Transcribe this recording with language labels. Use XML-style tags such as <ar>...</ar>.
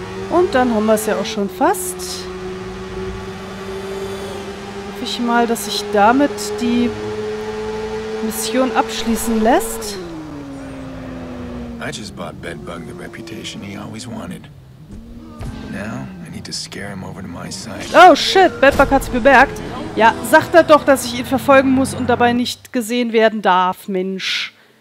<de>Und dann haben wir es ja auch schon fast. Hoffe ich mal, dass ich damit die Mission abschließen lässt.</de> <en>I just bought Bedbug the reputation he always wanted. Now I need to scare him over to my side. Oh shit,</en> <de>Bedbug hat sich bemerkt. Ja, sagt er doch, dass ich ihn verfolgen muss und dabei nicht gesehen werden darf, Mensch.</de>